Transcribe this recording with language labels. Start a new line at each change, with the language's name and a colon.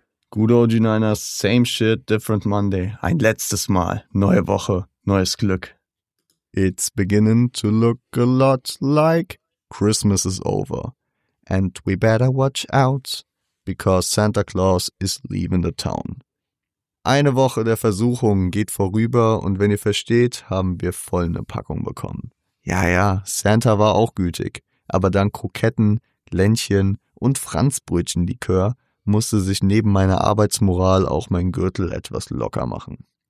English: Gute OG Niners, same shit, different Monday.
German: Ein letztes Mal, neue Woche, neues Glück.
English: It's beginning to look a lot like Christmas is over. And we better watch out, because Santa Claus is leaving the town.
German: Eine Woche der Versuchung geht vorüber und wenn ihr versteht, haben wir voll eine Packung bekommen. Ja, ja, Santa war auch gütig, aber dank Kroketten, Ländchen und Franzbrötchenlikör musste sich neben meiner Arbeitsmoral auch mein Gürtel etwas locker machen.